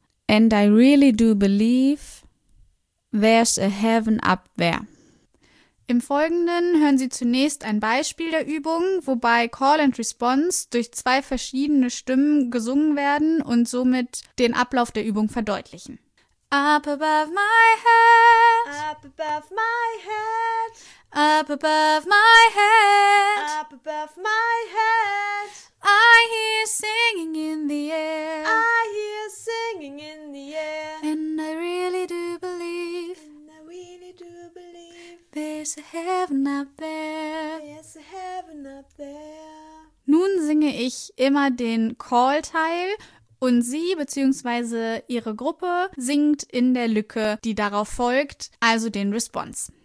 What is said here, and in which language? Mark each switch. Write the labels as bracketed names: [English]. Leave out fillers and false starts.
[English] And I really do believe there's a heaven up there." [German] Im Folgenden hören Sie zunächst ein Beispiel der Übung, wobei Call and Response durch zwei verschiedene Stimmen gesungen werden und somit den Ablauf der Übung verdeutlichen. [English] Up above my head. Up above my head. Up above my head. Up above my head. I hear singing in the air. I hear singing in the air. And I really do believe. And I really do believe. There's a heaven up there. There's a heaven up there. [German] Nun singe ich immer den Call-Teil. Und sie bzw. ihre Gruppe singt in der Lücke, die darauf folgt, also den Response.